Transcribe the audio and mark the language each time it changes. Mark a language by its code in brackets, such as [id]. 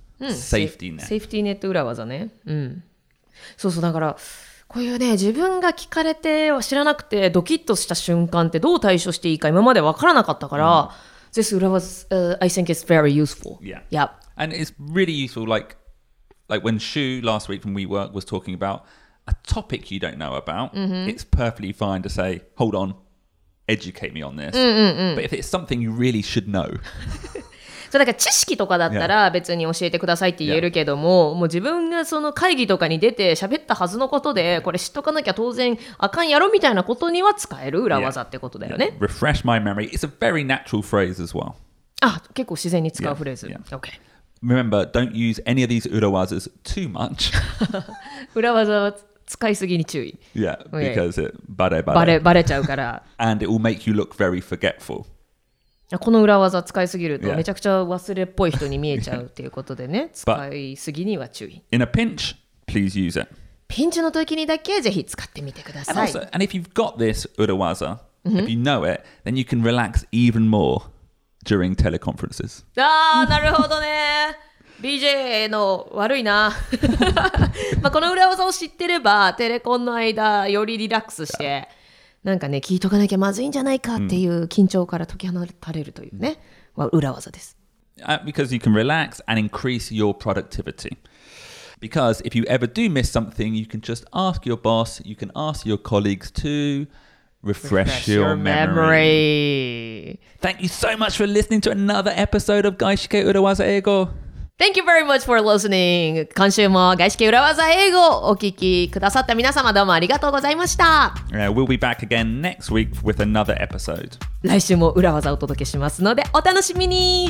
[ja] Safety net. Safety net urawaza ne. そうそう、だからこういうね、自分が聞かれて知らなくてドキッとした瞬間ってどう対処していいか今まで分からなかったから This urawaza, I think it's very useful. [en] Yeah. And it's really useful, like, Like when Shu last week from WeWork was talking about a topic you don't know about, mm-hmm. it's perfectly fine to say, hold on, educate me on this. Mm-mm-mm. But if it's something you really should know... [ja] そうなんか知識とかだったら別に教えてくださいって言えるけども、yeah. もう自分がその会議とかに出て喋ったはずのことでこれ知っとかなきゃ当然あかんやろみたいなことには使える裏技ってことだよね。 [en] Yeah. Refresh my memory. It's a very natural phrase as well. [ja] あ、結構自然に使うフレーズ。 [en] Yeah. Yeah. Okay. Remember, don't use any of these 裏技 too much. [ja] 裏技は使いすぎに注意。 [en] Yeah, because it バレバレ。 [ja] バレちゃうから。 [en] And it will make you look very forgetful. [ja] この裏技使いすぎるとめちゃくちゃ忘れっぽい人に見えちゃうっていうことでね、yeah. 使いすぎには注意。 [en] But in a pinch, please use it. [ja] ピンチの時にだけぜひ使ってみてください。 [en] And also, and if you've got this 裏技, if you know it, then you can relax even more during teleconferences. [ja] ああ、なるほどね。BJ の悪いな。まあこの裏技を知ってれば、テレコンの間よりリラックスして、yeah. なんかね聞いとかなきゃまずいんじゃないかっていう緊張から解き放たれるというね、mm. 裏技です。 [en] Because you can relax and increase your productivity. Because if you ever do miss something, you can just ask your boss, you can ask your colleagues to refresh your memory. Thank you so much for listening to another episode of 外資系裏技英語。 Thank you very much for listening. [ja] 今週も外資系裏技英語をお聞きくださった皆様どうもありがとうございました。 [en] We'll be back again next week with another episode. [ja] 来週も裏技をお届けしますのでお楽しみに。